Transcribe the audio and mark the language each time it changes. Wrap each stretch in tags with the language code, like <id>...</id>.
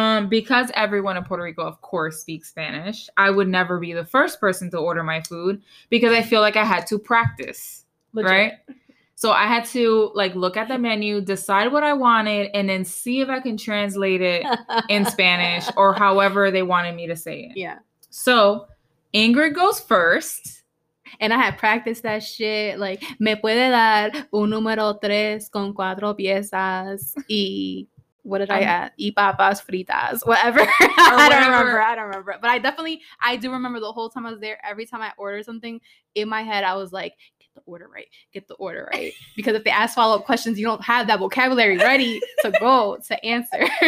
<en>Because everyone in Puerto Rico, of course, speaks Spanish, I would never be the first person to order my food, because I feel like I had to practice, legit. Right? So I had to like look at the menu, decide what I wanted, and then see if I can translate it in Spanish or however they wanted me to say it. Yeah. So Ingrid goes first. And I had practiced that shit.</en> <es>Like, me puede dar un número tres con cuatro piezas y what did I add?</es> <en>Y papas fritas. Whatever. I don't remember. But I do remember the whole time I was there. Every time I ordered something, in my head I was like, get the order right, because if they ask follow-up questions, you don't have that vocabulary ready to go to answer.</en>